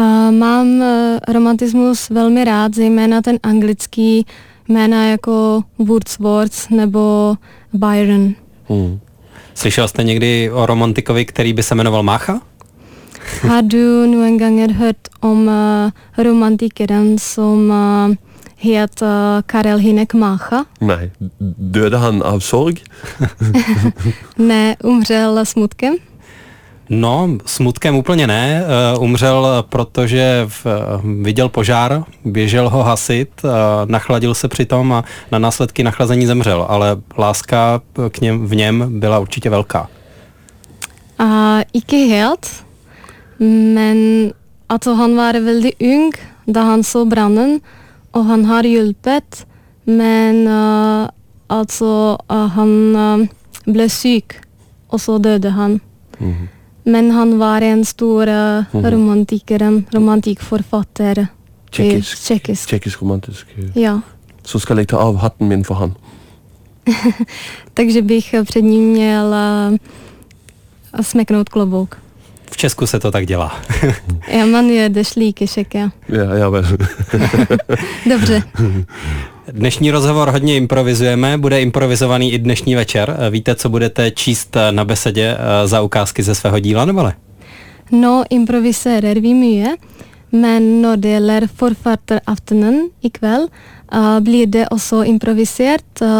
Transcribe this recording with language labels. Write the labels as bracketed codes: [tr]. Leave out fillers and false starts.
[cs] Mám romantismus velmi rád, zejména ten anglický, jména jako Wordsworth nebo Byron. Slyšel jste někdy o romantikovi, který by se jmenoval Mácha? [no] Har du noen ganger hørt om romantikeren som het Karel Hynek Mácha? Ne, døde han av sorg? [cs] Ne, umřel smutkem? No, smutkem úplně ne, umřel, protože viděl požár, běžel ho hasit, nachladil se přitom a na následky nachlazení zemřel, ale láska k něm, v něm byla určitě velká. [no] Ikke helt? Men altså han var veldig ung da han så brannen, og han har hjulpet, men altså han ble syk, og så døde han. Mm-hmm. Men han var en stor romantikkforfatter. Tjekkisk. Tjekkisk romantisk. Ja. Så skal jeg ta av hatten min for han. Takže bych před ním měl smeknout klobouk. [cs] V Česku se to tak dělá. Já mám jede šlíky, šeke. Já vím. Dobře. Dnešní rozhovor hodně improvizujeme, bude improvizovaný i dnešní večer. Víte, co budete číst na besedě za ukázky ze svého díla, nebo ne? [no] No, improviserer vi mye, men når det gjelder forfatter aftenen i kveld, blir det også improvisert.